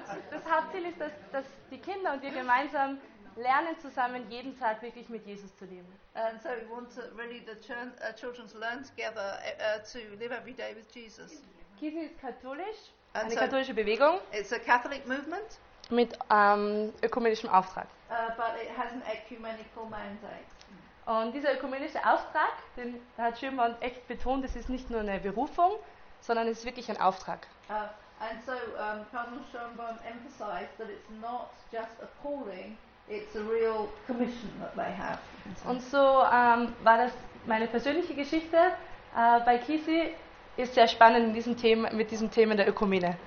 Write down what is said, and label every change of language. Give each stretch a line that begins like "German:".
German: Das Hauptziel ist, dass die Kinder und wir gemeinsam lernen zusammen jeden Tag wirklich mit Jesus zu leben.
English: And so we want to really the children to learn together to live every day with Jesus.
German: Kisi ist katholisch, and eine so katholische Bewegung.
English: It's a Catholic movement
German: mit ökumenischem Auftrag.
English: But it has an ecumenical mandate.
German: Und dieser ökumenische Auftrag, den hat Schönborn echt betont, es ist nicht nur eine Berufung, sondern es ist wirklich ein Auftrag.
English: And so Cardinal Schönborn emphasized that it's not just a calling, it's a real commission that they have.
German: Und so war das meine persönliche Geschichte bei Kisi ist sehr spannend in diesem Thema mit diesem Thema der Ökumene.